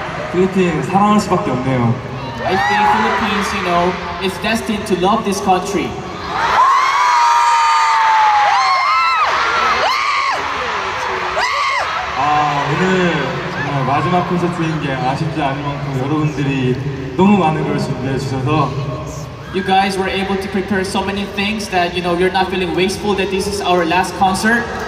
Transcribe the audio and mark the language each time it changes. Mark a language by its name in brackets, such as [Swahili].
[Korean] 필리핀 사랑할 수밖에 없네요. [English] I think Philippines, you know, is destined to love this country. [Korean] 아, 오늘 정말 마지막 콘서트인 게 아쉽지 않을 만큼 여러분들이 너무 많은 걸 준비해 주셔서. [English] You guys were able to prepare so many things that, you know, you're not feeling wasteful that this is our last concert.